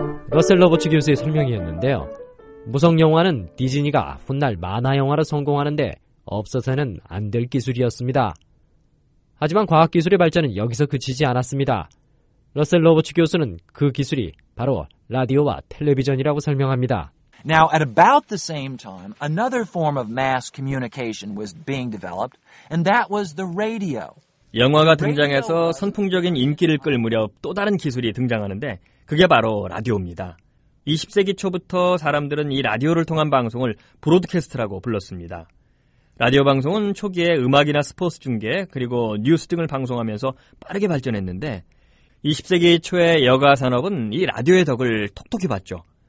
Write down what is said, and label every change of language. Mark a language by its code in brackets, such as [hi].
[ko] 러셀 로버츠 교수의 설명이었는데요. 무성영화는 디즈니가 훗날 만화영화로 성공하는데 없어서는 안 될 기술이었습니다. 하지만 과학기술의 발전은 여기서 그치지 않았습니다. 러셀 로버츠 교수는 그 기술이 바로 라디오와 텔레비전이라고 설명합니다. [en] Now, at about the same time, another form of mass communication was being developed, and that was the radio. [ko] 영화가 등장해서 선풍적인 인기를 끌 무렵 또 다른 기술이 등장하는데 그게 바로 라디오입니다. 20세기 초부터 사람들은 이 라디오를 통한 방송을 브로드캐스트라고 불렀습니다. 라디오 방송은 초기에 음악이나 스포츠 중계 그리고 뉴스 등을 방송하면서 빠르게 발전했는데 20세기 초에 여가 산업은 이 라디오의 덕을 톡톡히 봤죠.